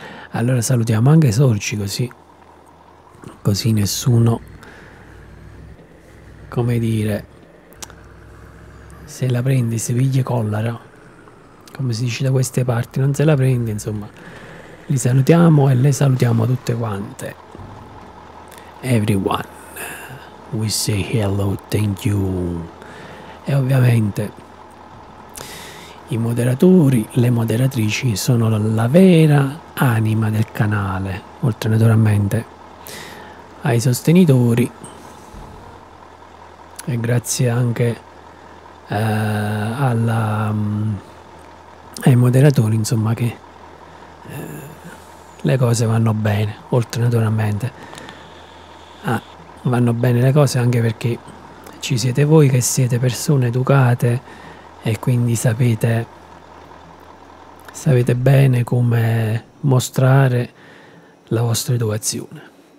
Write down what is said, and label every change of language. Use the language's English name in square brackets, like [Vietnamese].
[Italian] Allora salutiamo anche Sorci, così nessuno, come dire, se la prende, se piglia collera, come si dice da queste parti, non se la prende, insomma. Li salutiamo e le salutiamo tutte quante. [English] Everyone, we say hello, thank you. [Italian] E ovviamente i moderatori, le moderatrici sono la vera anima del canale, oltre naturalmente ai sostenitori, e grazie anche ai moderatori, insomma, che le cose vanno bene, oltre naturalmente vanno bene le cose anche perché ci siete voi, che siete persone educate e quindi sapete bene come mostrare la vostra educazione.